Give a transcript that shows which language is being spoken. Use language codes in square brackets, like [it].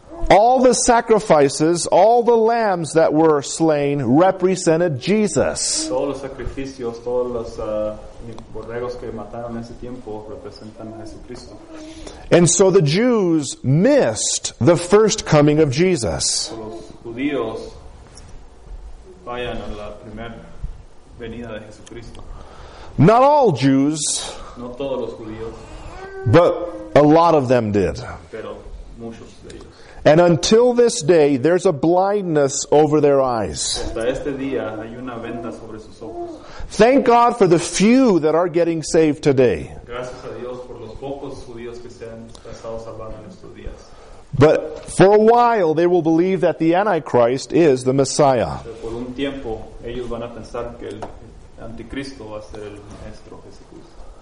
[en] All the sacrifices, all the lambs that were slain represented Jesus. [es] Todos los sacrificios, todos los borregos que mataron en ese tiempo representan a Jesucristo. [en] And so the Jews missed the first coming of Jesus. [es] Los judíos fallan a la primera venida de Jesucristo. [en] Not all Jews, [es] no todos los judíos, [en] but a lot of them did. [es] Pero muchos de ellos. [en] And until this day, there's a blindness over their eyes. [es] Hasta este día, hay una venda sobre sus ojos. [en] Thank God for the few that are getting saved today. [es] Gracias a Dios por los pocos judíos que se han estado salvando en estos días. [en] But for a while, they will believe that the Antichrist is the Messiah. [es] Pero por un tiempo, ellos van a pensar que el anticristo va a ser el maestro Jesucristo.